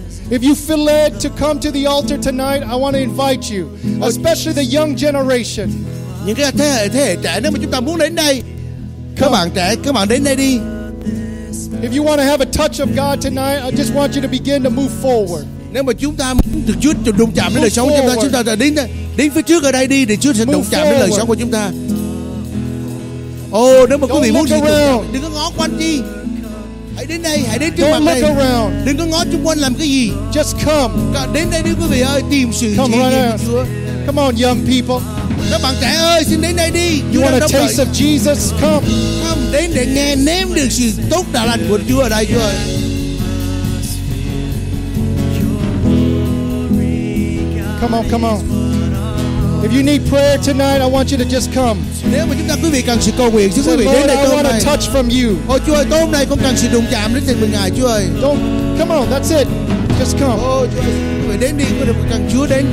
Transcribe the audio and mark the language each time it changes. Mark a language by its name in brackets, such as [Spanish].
[English] If you feel led to come to the altar tonight, I want to invite you, especially the young generation. [Vietnamese] Những cái thế hệ trẻ, nếu mà chúng ta muốn đến đây, các bạn trẻ, các bạn đến đây đi. [English] If you want to have a touch of God tonight, I just want you to begin to move forward. [Vietnamese] Nếu mà chúng ta muốn được Chúa đụng chạm đến đời sống của chúng ta, chúng ta đến phía trước ở đây đi, để Chúa sẽ đụng chạm đến đời sống của chúng ta. Nếu mà quý vị muốn đi, đừng có ngó quanh đi. Hãy đến đây, hãy đến trước mặt đây. Đừng có ngó chung quanh làm cái gì. [English] Just come. [Vietnamese] Đến đây đi quý vị ơi, tìm sự chỉ dẫn của Chúa. [English] Come on, young people. [Vietnamese] Các bạn trẻ ơi, xin đến đây đi. [English] You want a taste of Jesus? Come. [Vietnamese] Come, đến để nghe nếm được sự tốt đã lành của Chúa ở đây, Chúa ơi. [English] Come on, come on. If you need prayer tonight, I want you to just come. [Vietnamese] Nếu mà chúng ta quý vị cần sự cầu nguyện, xin quý vị đến đây hôm nay. [English] I want a touch from you. [Vietnamese] Ôi Chúa ơi, tối hôm nay con cần sự đụng chạm đến từ Ngài, Chúa ơi. [English] Come on, that's it. Just come. [Vietnamese] Chúa ơi, đến đi, quý vị cần Chúa đến.